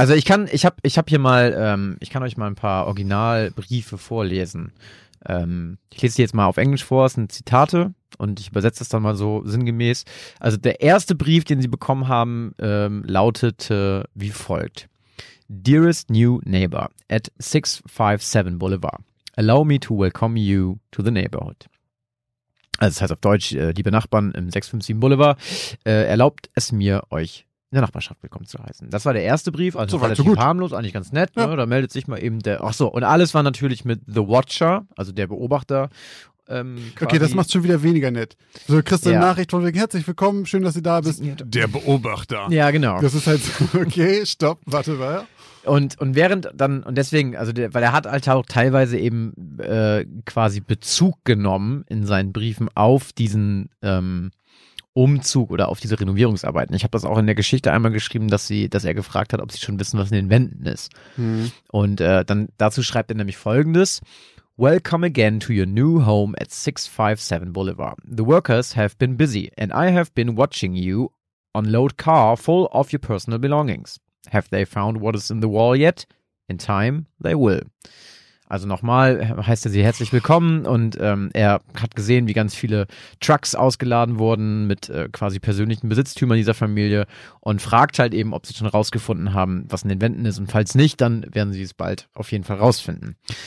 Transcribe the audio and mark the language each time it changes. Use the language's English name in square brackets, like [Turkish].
[German] also ich habe hier mal, ich kann euch mal ein paar Originalbriefe vorlesen. Ich lese die jetzt mal auf Englisch vor, es sind Zitate und ich übersetze das dann mal so sinngemäß. Also der erste Brief, den sie bekommen haben, lautete wie folgt. [English] Dearest new neighbor at 657 Boulevard, allow me to welcome you to the neighborhood. [German] Also das heißt auf Deutsch, liebe Nachbarn im 657 Boulevard, erlaubt es mir, euch in der Nachbarschaft willkommen zu heißen. Das war der erste Brief, also so relativ so harmlos, eigentlich ganz nett. Ja. Ne? Da meldet sich mal eben der, ach so, und alles war natürlich mit The Watcher, also der Beobachter. Okay, das macht schon wieder weniger nett. So, kriegst du eine Nachricht von wegen, herzlich willkommen, schön, dass du da bist. Der Beobachter. Ja, genau. Das ist halt so, okay, stopp, warte mal. Und während dann, und deswegen, also der, weil er hat halt auch teilweise eben quasi Bezug genommen in seinen Briefen auf diesen Umzug oder auf diese Renovierungsarbeiten. Ich habe das auch in der Geschichte einmal geschrieben, dass er gefragt hat, ob sie schon wissen, was in den Wänden ist. Und dann dazu schreibt er nämlich Folgendes. [English] Welcome again to your new home at 657 Boulevard. The workers have been busy and I have been watching you unload car full of your personal belongings. Have they found what is in the wall yet? In time, they will. [German] Also nochmal heißt er sie herzlich willkommen und er hat gesehen, wie ganz viele Trucks ausgeladen wurden mit quasi persönlichen Besitztümern dieser Familie und fragt halt eben, ob sie schon rausgefunden haben, was in den Wänden ist und falls nicht, dann werden sie es bald auf jeden Fall rausfinden.